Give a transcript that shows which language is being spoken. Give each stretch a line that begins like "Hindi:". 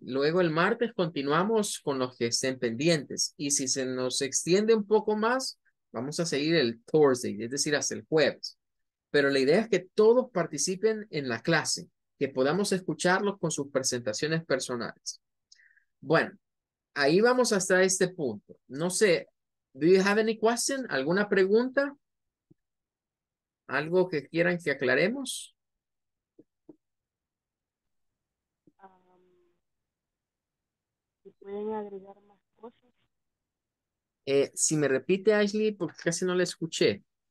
Spanish: Luego el martes continuamos con los que estén pendientes y si se nos extiende un poco más, vamos a seguir el Thursday, es decir, hasta el jueves. Pero la idea es que todos participen en la clase, que podamos escucharlos con sus presentaciones personales. Bueno, ahí vamos hasta este punto. No sé,
English: do you have any question?
Spanish: ¿Alguna pregunta? ¿Algo que quieran que aclaremos? ¿Se pueden agregar más cosas? Si me repite, Ashley, porque casi no la escuché.